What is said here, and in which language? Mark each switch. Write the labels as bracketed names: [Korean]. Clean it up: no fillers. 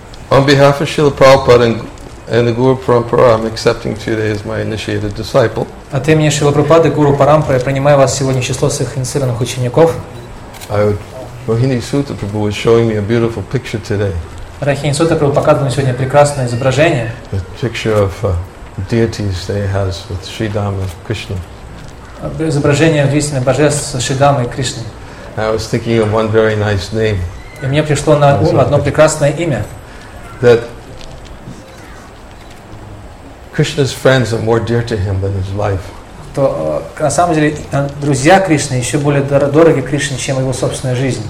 [English] On behalf of Srila Prabhupada and the Guru Parampara, I'm accepting today as my initiated disciple. [Russian] От имени Шрилы Прабхупады, Гуру Парампара, я принимаю вас сегодня в число своих инициированных учеников. [English] Rohini Sutta Prabhu was showing me a beautiful picture today. [Russian] Rohini Sutta Prabhu показывал мне сегодня прекрасное изображение. [English] A picture of deities they has with Sri Dham and Krishna. [Russian] Изображение удивительных божеств с Шри Дхамой и Кришной. [English] I was thinking of one very nice name. [Russian] И мне пришло на ум одно прекрасное имя. [English] That Krishna's friends are more dear to him than his life. [Russian] То на самом деле друзья Кришны еще более дороги Кришне, чем его собственная жизнь.